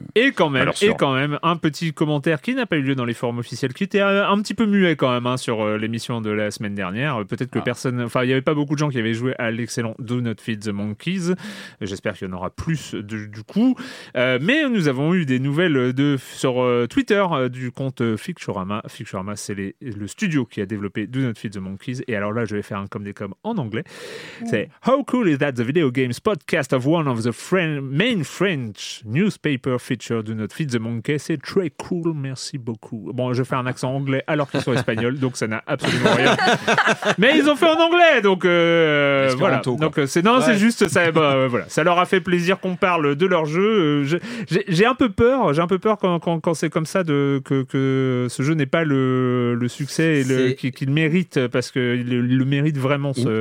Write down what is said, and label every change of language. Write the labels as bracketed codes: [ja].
[fr] et quand même un petit commentaire qui n'a pas eu lieu dans les forums officiels qui était un petit peu muet quand même hein, sur l'émission de la semaine dernière peut-être que personne enfin il y avait pas beaucoup de gens qui avaient joué à l'excellent Do Not Feed the Monkeys j'espère qu'il y en aura plus du coup mais nous avons eu des nouvelles sur Twitter du compte Fictiorama. Fictiorama, c'est le studio qui a développé Do Not Feed the Monkeys. Et alors là, je vais faire un com des com en anglais. C'est [en] « How cool is that the video games podcast of one of the main French newspaper feature Do Not Feed the Monkeys ?» [fr] C'est très cool, merci beaucoup. Bon, je fais un accent anglais alors qu'ils sont espagnols, donc ça n'a absolument rien. Mais ils ont fait en anglais, donc voilà. Donc, c'est juste, ça leur a fait plaisir qu'on parle de leur jeu. J'ai un peu peur quand c'est comme ça que ce jeu n'est pas le succès et qu'il mérite, parce qu'il le mérite vraiment.